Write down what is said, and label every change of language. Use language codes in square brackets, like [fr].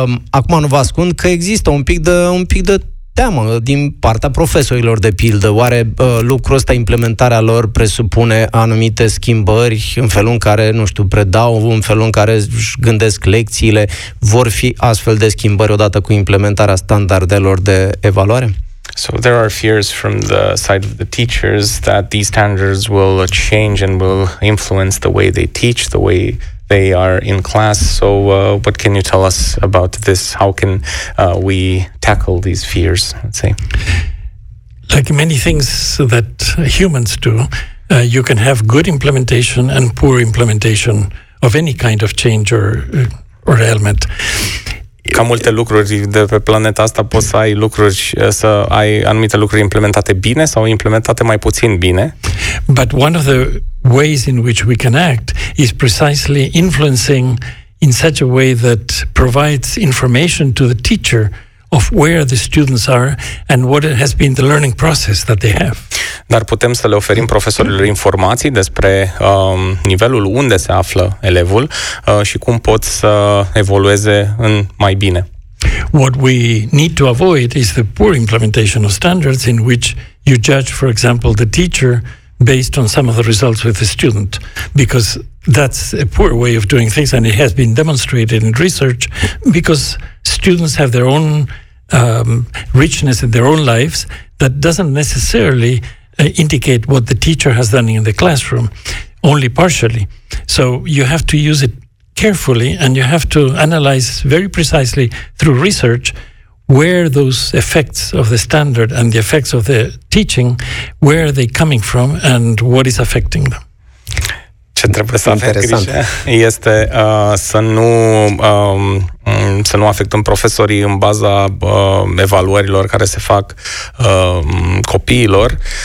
[ro] Acum nu vă ascund că există un pic de teamă din partea profesorilor, de pildă. Oare lucrul ăsta, implementarea lor, presupune anumite schimbări în felul în care, nu știu, predau, în felul în care își gândesc lecțiile? Vor fi astfel de schimbări odată cu implementarea standardelor de evaluare? [en] So there are fears from the side of the teachers that these standards will change and will influence the way they teach, the way they are in class. So what can you tell us about this? How can we tackle these fears, let's say? Like many things that humans do, you can have good implementation and poor implementation of any kind of change or element. [ro] Ca multe lucruri de pe planeta asta, poți să ai lucruri, să ai anumite lucruri implementate bine sau implementate mai puțin bine. [en] But one of the ways in which we can act is precisely influencing in such a way that provides information to the teacher of where the students are and what it has been the learning process that they have. [ro] Dar putem să le oferim profesorilor informații despre nivelul unde se află elevul și cum pot să evolueze în mai bine. [en] What we need to avoid is the poor implementation of standards in which you judge, for example, the teacher based on some of the results with the student, because that's a poor way of doing things, and it has been demonstrated in research, because students have their own richness in their own lives that doesn't necessarily indicate what the teacher has done in the classroom, only partially. So you have to use it carefully, and you have to analyze very precisely through research where those effects of the standard and the effects of the teaching, where are they coming from and what is affecting them. [ro] ce trebuie să interesant. Avem grijă este să nu afectăm profesorii în baza evaluărilor care se fac copiilor.